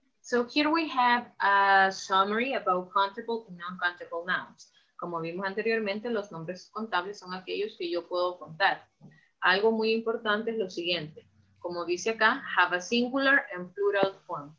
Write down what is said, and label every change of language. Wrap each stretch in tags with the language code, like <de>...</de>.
<en>So here we have a summary about countable and non-countable nouns.</en> <es>Como vimos anteriormente, los nombres contables son aquellos que yo puedo contar. Algo muy importante es lo siguiente. Como dice acá,</es> <en>have a singular and plural form.</en>